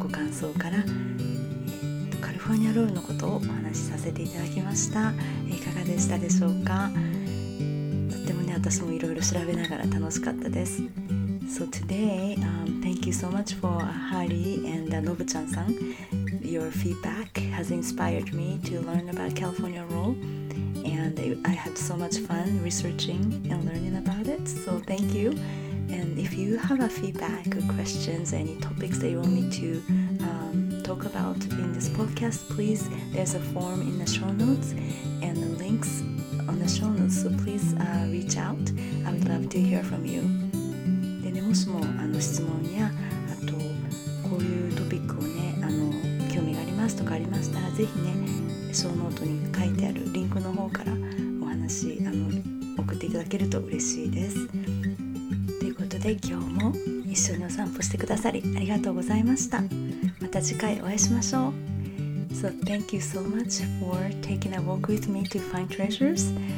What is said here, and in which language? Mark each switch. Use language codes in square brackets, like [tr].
[ja] 想から、カリフォルニアロールのことをお話しさせていただきました。いかがでしたでしょうか。とってもね、私もいろいろ調べながら楽しかったです。 [en] So today、thank you so much for Hari and Nobuchan-san. Your feedback has inspired me to learn about California roll, and I had so much fun researching and learning about it. So thank you. And if you have a feedback or questions, any topics that you want me to talk about in this podcast, please, there's a form in the show notes and the links on the show notes. So please reach out. I would love to hear from you. [ja] もしも質問やあとこういうトピックをね興味がありますとかありましたら、ぜひねショーノートに書いてあるリンクの方からお話送っていただけると嬉しいです。ということで、今日も一緒にお散歩してくださりありがとうございました。また次回お会いしましょう。 [en] So thank you so much for taking a walk with me to find treasures.